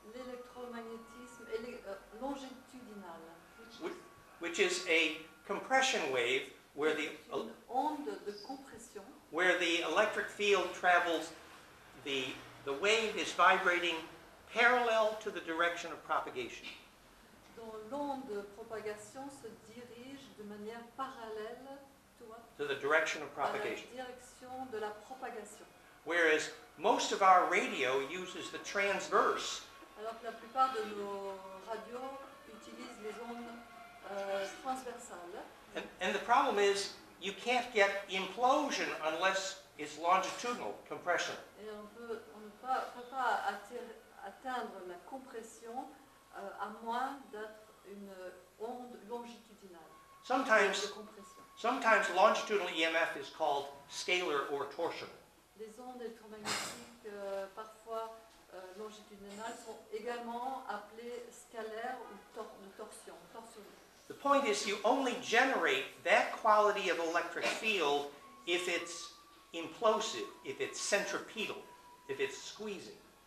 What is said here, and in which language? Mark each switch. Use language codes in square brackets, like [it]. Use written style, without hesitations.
[fr] L'électromagnétisme longitudinal. [en] Which is a compression wave where the [fr] onde de compression [en] where the electric field travels, the wave is vibrating parallel to the direction of propagation. [fr] Dont l'onde propagation se dirige de manière parallèle [en] to the direction of propagation. [fr] À la direction de la propagation. [en] Whereas most of our radio uses the transverse. [fr] Alors que la plupart de nos radios utilisent les ondes transversales. [en] And the problem is you can't get implosion unless it's longitudinal compression. [fr] Et on ne peut pas atteindre la compression à moins d'être une onde longitudinale. [en] Sometimes longitudinal EMF is called scalar or torsion. [fr] Les ondes électromagnétiques parfois longitudinales sont également appelées scalaires ou torsion. [en] The point is, you only generate that quality of electric field if it's implosive, if it's centripetal, if it's squeezing.